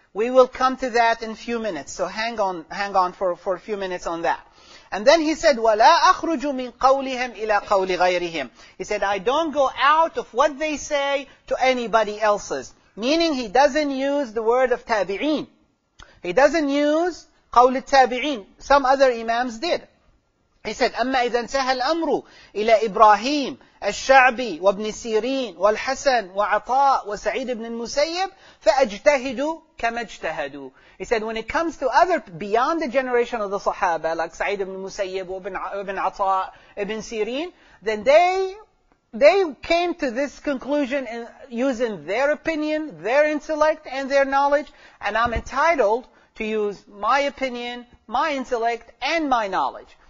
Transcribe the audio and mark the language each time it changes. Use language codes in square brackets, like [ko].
[en] We will come to that in a few minutes. So hang on for a few minutes on that. And then he said, [ar] وَلَا أَخْرُجُ مِنْ قَوْلِهِمْ إِلَىٰ قَوْلِ غَيْرِهِمْ [en] He said, I don't go out of what they say to anybody else's. Meaning he doesn't use the word of tabi'een. He doesn't use قول التابعين. Some other imams did. He said, [ar] أَمَّا إِذَا انْتَهَى الْأَمْرُ إِلَىٰ إِبْرَاهِيمِ الشعبي وابن سيرين والحسن وعطاء وسعيد بن المسيب فأجتهدوا كما اجتهدوا. [en] He said, when it comes to other beyond the generation of the Sahaba, like سعيد بن المسيب وابن عطاء ابن سيرين, then they came to this conclusion in using their opinion, their intellect and their knowledge, and I'm entitled to use my opinion, my intellect and my knowledge.